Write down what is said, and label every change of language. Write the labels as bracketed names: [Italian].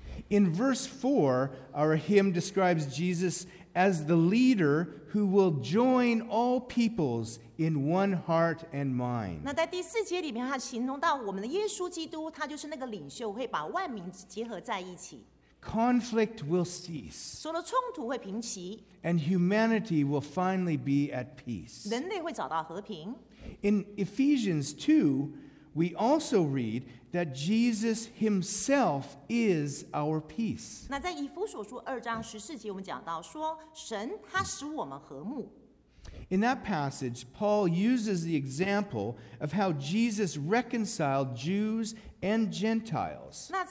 [English] In verse 4, our hymn describes Jesus as the leader who will join all peoples in one heart and mind. [Chinese] 那在第四节里面, 他形容到我们的耶稣基督, 他就是那个领袖, 会把万民结合在一起。 [English] Conflict will cease. [Chinese] 除了冲突会平息, [English] and humanity will finally be at peace. [Chinese] 人类会找到和平。 [English] In Ephesians 2, we also read that Jesus himself is our peace. [Chinese] 那在以弗所书二章十四节我们讲到说神他使我们和睦。 [English] In that passage, Paul uses the example of how Jesus reconciled Jews and Gentiles.